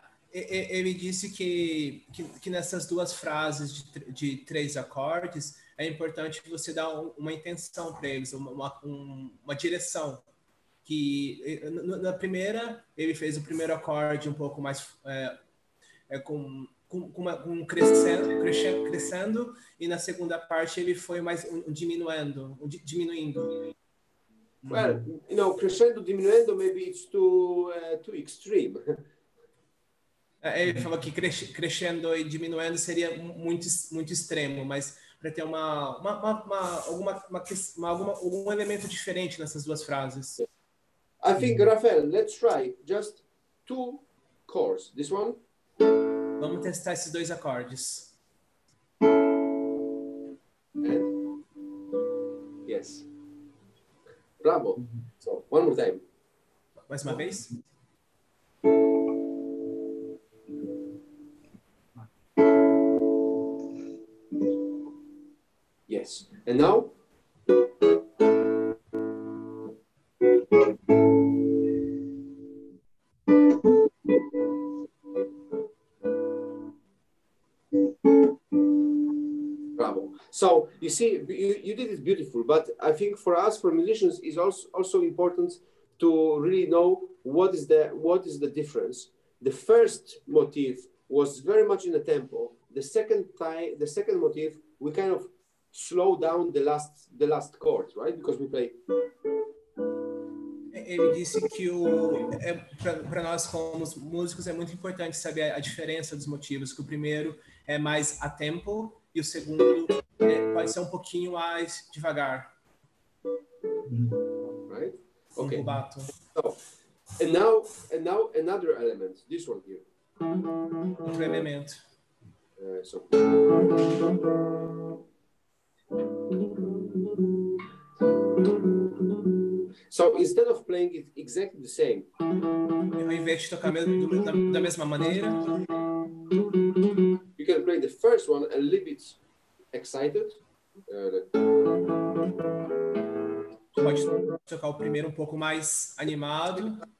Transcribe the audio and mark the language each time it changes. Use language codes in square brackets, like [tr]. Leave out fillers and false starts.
[pt] Ele disse que nessas duas frases de três acordes, é importante você dar uma intenção para eles, uma direção. Que na primeira, ele fez o primeiro acorde um pouco mais com um crescendo, e na segunda parte ele foi mais diminuindo. [en] Well, you know, crescendo, diminuindo, maybe it's too extreme. [pt] Ele falou que crescendo e diminuindo seria muito, muito extremo, mas para ter algum elemento diferente nessas duas frases. [en] I think, Rafael, let's try just two chords. This one. [pt] Vamos testar esses dois acordes. [en] And? Yes. Bravo. So, one more time. [pt] Mais uma vez. [en] And now? So you see, you did it beautiful, but I think for us, for musicians, it's also important to really know what is the difference. The first motif was very much in the tempo. The second motif, we kind of slow down the last chord, right? Because we play. [pt] Ele disse que para nós como músicos é muito importante saber a diferença dos motivos. Que o primeiro é mais a tempo e o segundo pode ser um pouquinho mais devagar. [en] Right? Okay. [pt] Um rubato. [en] So, and now another element, this one here. [pt] Outro elemento. [en] So. So instead of playing it exactly the same, [pt] ao invés de tocar da mesma maneira, [en] you can play the first one a little bit excited. [pt] Pode tocar o primeiro um pouco mais animado.